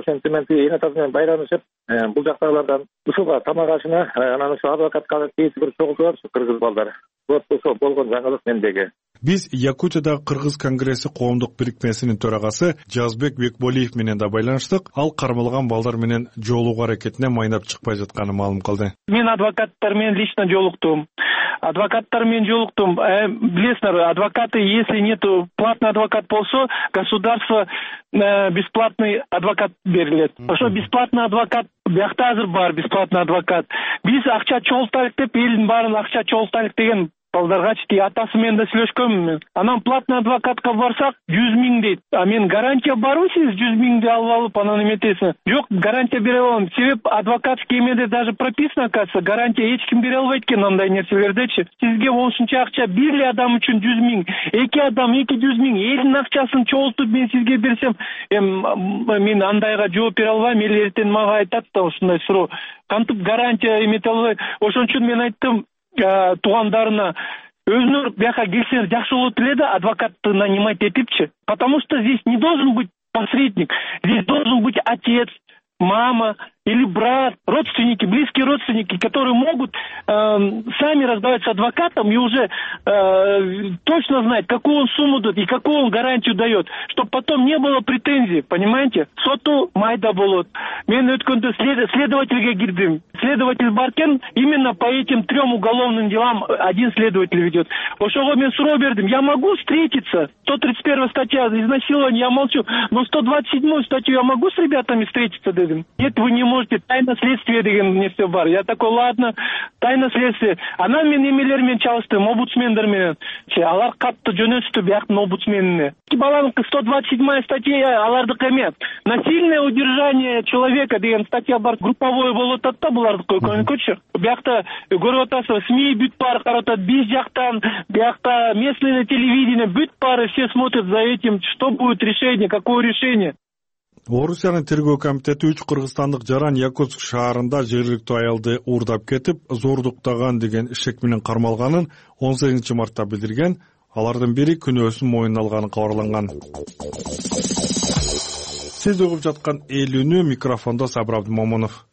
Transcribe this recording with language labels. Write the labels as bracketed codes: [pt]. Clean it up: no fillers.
[ky] Ошентип мен эне атасы менен байланышып, бул жактагылардан ушуга тамак ашына, анан ушул адвокатка тийиш бир согулдулар ушул кыргыз балдар. Болгон жаңылык мендеги. Биз Якутиядагы кыргыз конгресси коомдук бирикмесинин төрагасы Жазбек Бекболиев менен да байланыштык. Ал кармалган балдар менен жолугуу аракетине майнап чыкпай жатканын маалым кылды. Мен адвокаттар менен лично жолуктум. [ru] Билесиңер, адвокаты, если нету платный адвокат болсо, государство бесплатный адвокат берилет. [ky] Ошо бесплатный адвокат биякта азыр бар, бесплатный адвокат. Биз акча чогултайлык деп элдин баарын акча чогултайлык деген балдаргачы атасы менен да сүйлөшкөнмүн мен. Анан платный адвокатка барсак 100 000 дейт. А мен гарантия барбы сиз 100 000 алып анан эметесиң? Жок, гарантия бере албайм. Себеп адвокатский эмеде [ru] даже прописано, кажется, [ky] гарантия эч ким бере албайт экен андай нерселердечи. Сизге ошончо акча бир эле адам үчүн 100 000, эки адам 200 000, элдин акчасын чогултуп мен сизге берсем, мен андайга жооп бере албайм. Эл эртең мага айтат да ушундай суроо. Кантип гарантия эмете албайт? Ошон үчүн мен айттым туугандарына, өзүңөр бияка келсеңер жакшы болот эле да адвокатты [ru] нанимать [ky] этипчи. [ru] Потому что здесь не должен быть посредник, здесь должен быть отец, мама или брат, родственники, близкие родственники, которые могут сами разговаривать с адвокатом и уже точно знать, какую он сумму дает и какую он гарантию дает, чтобы потом не было претензий, понимаете? [ky] Соту майда болот. Мен өткөндө следователге кирдим. [ru] Следователь Баркен именно по этим трем уголовным делам один следователь ведет. [ky] Ошого мен суроо бердим. [ru] Я могу встретиться? 131 статья изнасилования, я молчу. Но 127 статью я могу с ребятами встретиться, [ky] дедим? [ru] Нет, вы не можете, тайна следствия [ky] деген нерсе бар. [ru] Я такой, ладно, тайна следствия. [ky] Анан мен эмелер менен чалыштым, омбудсмендер менен. Алар катты жөнөттү бияктын омбудсменине. Баланыкы 127 статья алардыкы эме. [ru] Насильное удержание человека [ky] деген статья бар, групповое болуп атат да булардыкы көнүкөчү. Биякта көрүп атасыз, [ru] СМИ [ky] бүт бар каратат, биз жактан, биякта [ru] местное телевидение бүт бар, все смотрят за этим, что будет решение, какое решение. [ky] Орусиянын тергөө комитети 3 кыргызстандык жаран Якутск шаарында жергиликтүү аялды уурдап кетип, зордуктаган деген шек менен кармалганын 18 мартта билдирген. Алардын бири күнөөсүн моюнуна алганы кабарланган. Сиз угуп жаткан эл үнү, микрофондо Сабыр Абдымомунов.